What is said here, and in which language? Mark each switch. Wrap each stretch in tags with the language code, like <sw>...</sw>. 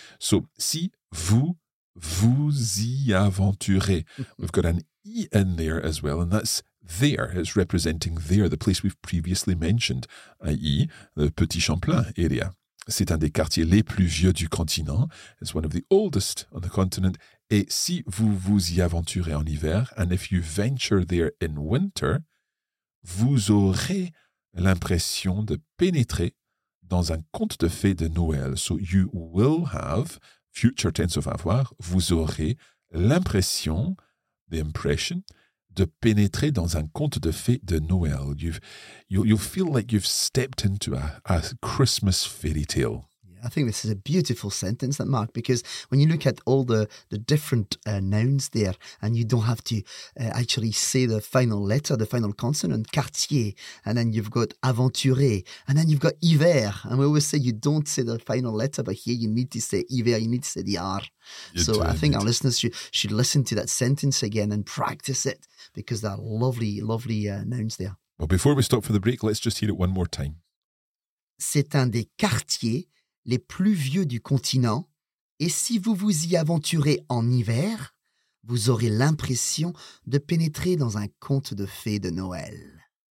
<fr>So, si vous vous y aventurez.</fr> <en>We've got an E in there as well, and that's there. It's representing there, the place we've previously mentioned, i.e. the Petit Champlain area.</en> <fr>C'est un des quartiers les plus vieux du continent.</fr> <en>It's one of the oldest on the continent.</en> <fr>Et si vous vous y aventurez en hiver,</fr> <en>and if you venture there in winter,</en> <fr>vous aurez l'impression de pénétrer dans un conte de fées de Noël.</fr> <en>So you will have, future tense of avoir,</en> <fr>vous aurez l'impression,</fr> <en>the impression,</en> <fr>de pénétrer dans un conte de fées de Noël.</fr> <en>You'll feel like you've stepped into a Christmas fairy tale. I think this is a beautiful sentence, that Mark, because when you look at all the different nouns there, and you don't have to actually say the final letter, the final consonant, quartier, and then you've got aventuré, and then you've got hiver. And we always say you don't say the final letter, but here you need to say hiver, you need to say the R. Our listeners should listen to that sentence again and practice it, because there are lovely, lovely nouns there. Well, before we stop for the break, let's just hear it one more time.</en> <fr>C'est un des quartiers les plus vieux du continent, et si vous vous y aventurez en hiver, vous aurez l'impression de pénétrer dans un conte de fées de Noël.</fr>